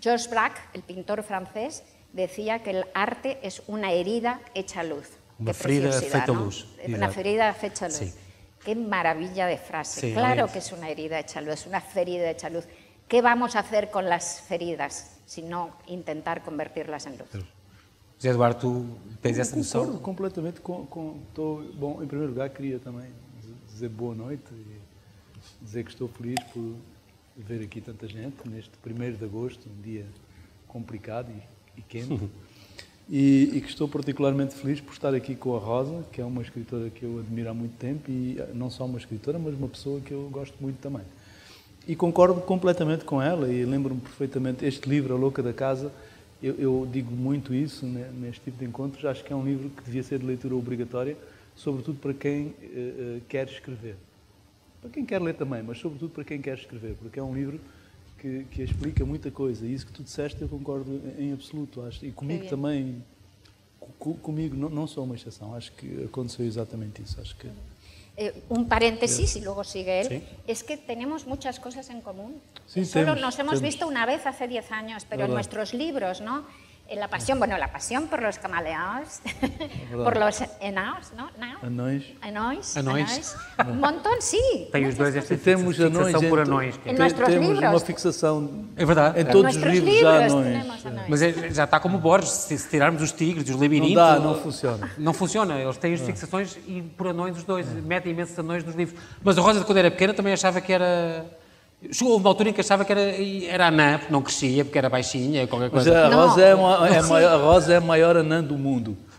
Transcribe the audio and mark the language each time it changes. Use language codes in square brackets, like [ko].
[es] Georges Braque, el pintor francés, decía que el arte es una herida hecha luz. Una ferida hecha luz. Una ferida hecha luz. Sí. Qué maravilla de frase. Sí, claro que es una herida hecha luz, una ferida hecha luz. ¿Qué vamos a hacer con las feridas si no intentar convertirlas en luz? [pt] José Eduardo, tu tens essa noção? Concordo completamente com tô, bom, em primeiro lugar, queria também dizer boa noite e dizer que estou feliz por ver aqui tanta gente neste 1º de agosto, um dia complicado e quente, e que estou particularmente feliz por estar aqui com a Rosa, que é uma escritora que eu admiro há muito tempo, e não só uma escritora, mas uma pessoa que eu gosto muito também. E concordo completamente com ela e lembro-me perfeitamente este livro, A Louca da Casa. Eu digo muito isso, né, neste tipo de encontros. Acho que é um livro que devia ser de leitura obrigatória, sobretudo para quem quer escrever. Para quem quer ler também, mas sobretudo para quem quer escrever, porque é um livro que explica muita coisa. E isso que tu disseste, eu concordo em absoluto. Acho, e comigo é. Também, comigo não sou uma exceção, acho que aconteceu exatamente isso. Acho que... [es] Un paréntesis y luego sigue él. Sí. Es que tenemos muchas cosas en común. Sí, Solo nos hemos visto una vez hace 10 años, pero en nuestros libros, ¿no? En la pasión, bueno, la pasión por los camaleones, por los enaos, ¿no? Anóis. Un montón, sí. Tenemos dos estas fixaciones por anóis. En nuestros libros. Tenemos una fixación. Es verdad. En todos los libros ya anóis. [pt] Mas já está como Borges, se tirarmos os tigres, os labirintos... Não dá, não funciona. Não funciona, eles têm as fixações e por anões os dois, metem imensos anões nos livros. Mas a Rosa, quando era pequena, também achava que era... Chegou uma altura em que achava que era anã, porque não crescia, porque era baixinha, qualquer coisa. Mas a Rosa é a maior anã do mundo.